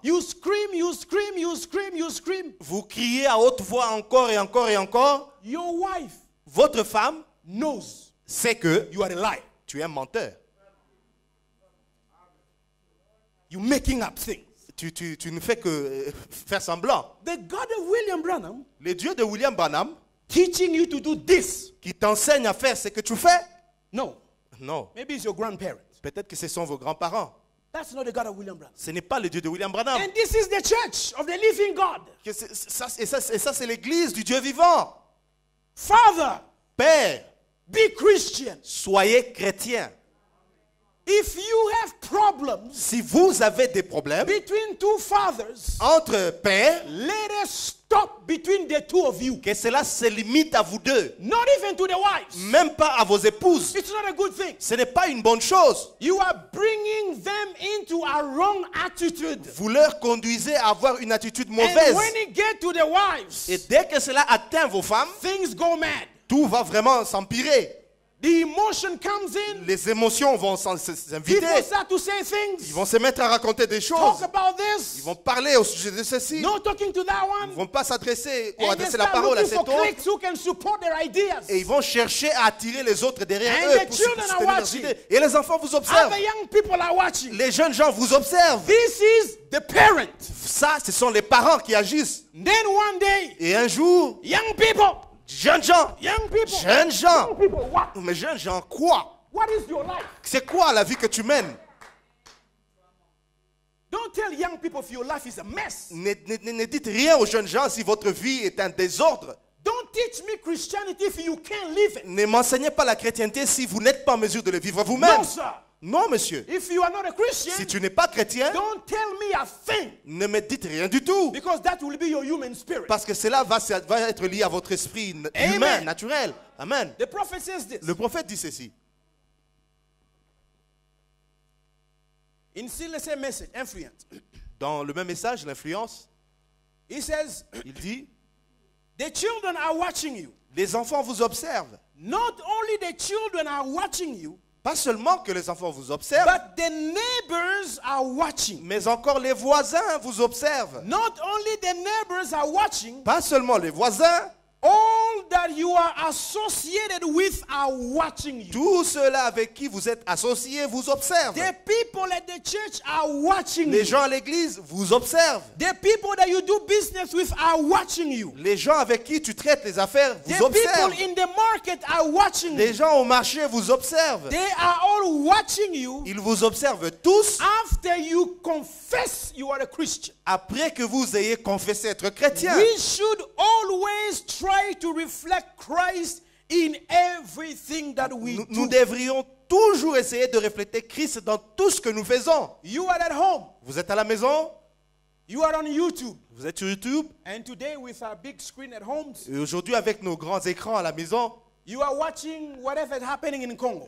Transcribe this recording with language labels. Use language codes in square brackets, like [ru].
[en] You scream, you scream, you scream, you scream. [fr] Vous criez à haute voix encore et encore et encore. [en] Your wife. [fr] Votre femme [en] knows, [fr] sait que [en] you are a liar. [fr] Tu es un menteur. [en] You making up things. [fr] Tu ne fais que faire semblant. [en] The God of William Branham, [fr] le Dieu de William Branham, [en] teaching you to do this, [fr] qui t'enseigne à faire ce que tu fais. [en] No. Maybe it's your grandparents. [fr] Peut-être que ce sont vos grands-parents. [en] That's not the God of William Branham. [fr] Ce n'est pas le Dieu de William Branham. [en] And this is the church of the living God. [fr] Et ça, c'est l'église du Dieu vivant. [en] Father, [fr] père, [en] be Christian. [fr] Soyez chrétien. [en] If you have problems, [fr] si vous avez des problèmes, [en] between two fathers, [fr] entre pères, [en] let it stop between the two of you. [fr] Que cela se limite à vous deux. [en] Not even to the wives. [fr] Même pas à vos épouses. [en] It's not a good thing. [fr] Ce n'est pas une bonne chose. [en] You are bringing them into a wrong attitude. [fr] Vous leur conduisez à avoir une attitude mauvaise. [en] And when it get to the wives, [fr] et dès que cela atteint vos femmes, [en] things go mad. [fr] Tout va vraiment s'empirer. [en] The emotion comes in. [fr] Les émotions vont s'inviter. [en] People start to say things. [fr] Ils vont se mettre à raconter des choses. [en] Talk about this. [fr] Ils vont parler au sujet de ceci. [en] No talking to that one. [fr] Ils vont pas s'adresser ou [en] and [fr] adresser la parole à cet autre. [en] Cliques who can support their ideas. [fr] Et ils vont chercher à attirer les autres derrière [en] and [fr] eux [en] the pour children soutenir are watching. [fr] Et les enfants vous observent. [en] Other young people are watching. [fr] Les jeunes gens vous observent. [en] This is the parent. [fr] Ça, ce sont les parents qui agissent. [en] Then one day, [fr] et un jour, [en] young people. [fr] Jeunes gens, [en] young people, [fr] jeunes gens, [en] young people, what? [fr] Mais jeunes gens, quoi? [en] What is your life? [fr] C'est quoi la vie que tu mènes? [en] Don't tell young people if your life is a mess. [fr] Ne dites rien aux jeunes gens si votre vie est un désordre. [en] Don't teach me Christianity if you can't live it. [fr] Ne m'enseignez pas la chrétienté si vous n'êtes pas en mesure de le vivre vous-même. [en] No, sir. [fr] Non, monsieur. [en] If you are not a Christian, [fr] si tu n'es pas chrétien, [en] don't tell me a thing. [fr] Ne me dites rien du tout. [en] Because that will be your human spirit. [fr] Parce que cela va être lié à votre esprit [en] Amen. [fr] Humain, naturel. Amen. [en] The prophet says this. [fr] Le prophète dit ceci. [en] In still the same message, influence. [fr] Dans le même message, l'influence. [en] He says, [fr] il dit, [en] the children are watching you. [fr] Les enfants vous observent. [en] Not only the children are watching you, [fr] pas seulement que les enfants vous observent, [en] but the neighbors are watching. [fr] Mais encore les voisins vous observent. [en] Not only the neighbors are watching, [fr] pas seulement les voisins. [en] All that you are associated with are watching you. [fr] Tout cela avec qui vous êtes associé vous observe. [en] The people at the church are watching you. [fr] Les gens à l'église vous observent. [en] The people that you do business with are watching you. [fr] Les gens avec qui tu traites les affaires vous observent. [en] The people in the market are watching you. [fr] Les gens au marché vous observent. [en] They are all watching you. [fr] Ils vous observent tous. [en] After you confess you are a Christian. [fr] Après que vous ayez confessé être chrétien. [en] We should always try to reflect Christ in everything that we do. [fr] Nous devrions toujours essayer de refléter Christ dans tout ce que nous faisons. [en] You are at home. [fr] Vous êtes à la maison. [en] You are on YouTube. [fr] Vous êtes sur YouTube. [en] And today with our big screen at home. [fr] Et aujourd'hui avec nos grands écrans à la maison. [en] You are watching whatever is happening in Congo.